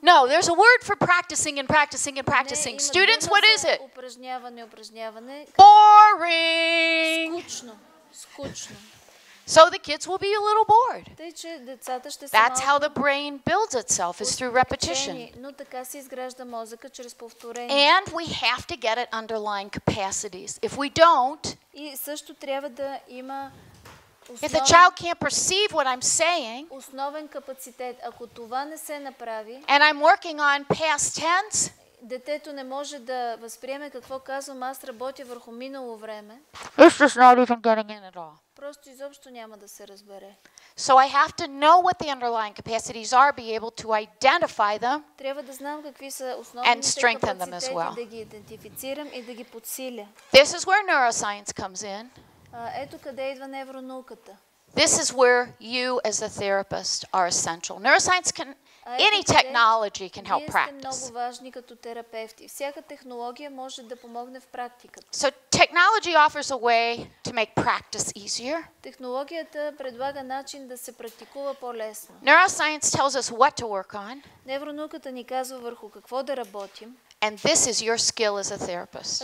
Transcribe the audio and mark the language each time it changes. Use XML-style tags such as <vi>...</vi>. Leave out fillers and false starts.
<en>No, there's a word for practicing and practicing and practicing.</en> <bg>Не,</bg> <en>students, what is it?</en> <bg>Упражняване.</bg> <en>Boring.</en> <bg>Скучно.</bg> <en>So the kids will be a little bored.</en> <bg>Тъй, че децата ще са.</bg> <en>That's how the brain builds itself, is through repetition.</en> <bg>Но така се изгражда мозъка чрез повторение.</bg> <en>And we have to get it underlying capacities. If we don't,</en> <bg>и също трябва да има.</bg> <en>If the child can't perceive what I'm saying,</en> <bg>основен капацитет, ако това не се направи,</bg> <en>and I'm working on past tense,</en> <bg>детето не може да възприеме какво казвам, аз работя върху минало време.</bg> <en>It's just not even getting in at all.</en> <bg>Просто изобщо няма да се разбере.</bg> <en>So I have to know what the underlying capacities are, be able to identify them,</en> <bg>трябва да знам какви са основните капацитети, да ги идентифицирам и да ги подсиля.</bg> <en>This is where neuroscience comes in.</en> <bg>Ето къде идва невронауката.</bg> <en>This is where you as a therapist are essential. Neuroscience can any technology can help practice.</en> <bg>Вие сте много важни като терапевти. Всяка технология може да помогне в практиката.</bg> <en>So technology offers a way to make practice easier.</en> <bg>Технологията предлага начин да се практикува по-лесно.</bg> <en>Neuroscience tells us what to work on.</en> <bg>Невронауката ни казва върху какво да работим.</bg> <en>And this is your skill as a therapist.</en>